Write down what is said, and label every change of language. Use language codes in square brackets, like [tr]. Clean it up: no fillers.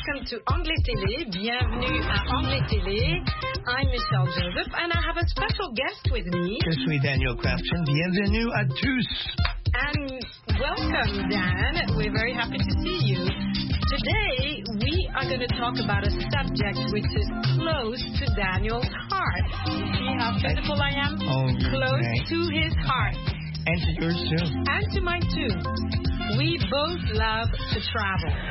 [fr] To Anglais Télé, bienvenue à Anglais Télé. [en] I'm Michelle Joseph and I have a special guest with me. [fr] Je suis Daniel Crafton, bienvenue à tous. [en] And welcome, Dan. We're very happy to see you. Today, we are going to talk about a subject which is close to Daniel's heart. See how beautiful I am? Oh, close to his heart. And to yours too. And to mine too. We both love to travel.